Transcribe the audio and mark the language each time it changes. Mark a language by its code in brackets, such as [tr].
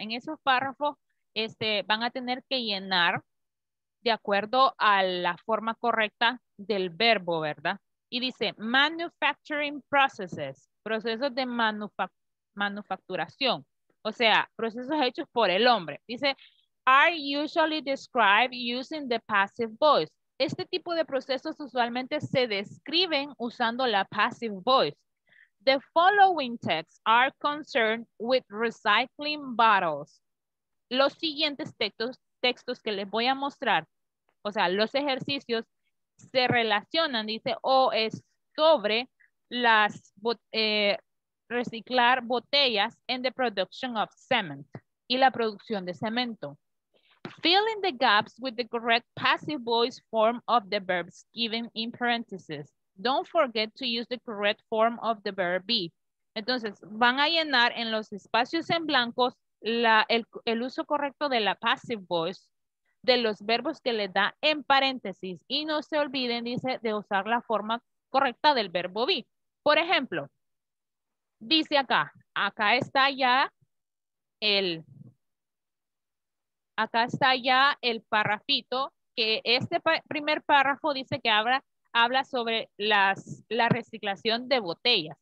[es] En esos párrafos, van a tener que llenar de acuerdo a la forma correcta del verbo, ¿verdad? Y dice, [en] manufacturing processes, [es] procesos de manufacturación, o sea, procesos hechos por el hombre. [en] Dice, are usually described using the passive voice. [es] Este tipo de procesos usualmente se describen usando la passive voice. [en] The following texts are concerned with recycling bottles. [es] Los siguientes textos que les voy a mostrar, o sea, los ejercicios, se relacionan, dice, o es sobre las reciclar botellas en [en] the production of cement [es] y la producción de cemento. [en] Fill in the gaps with the correct passive voice form of the verbs given in parentheses. Don't forget to use the correct form of the verb be. [es] Entonces, van a llenar en los espacios en blancos el uso correcto de la passive voice de los verbos que le da en paréntesis. Y no se olviden, dice, de usar la forma correcta del verbo be. Por ejemplo, dice acá está ya el párrafito, que este primer párrafo dice que habla sobre la reciclación de botellas.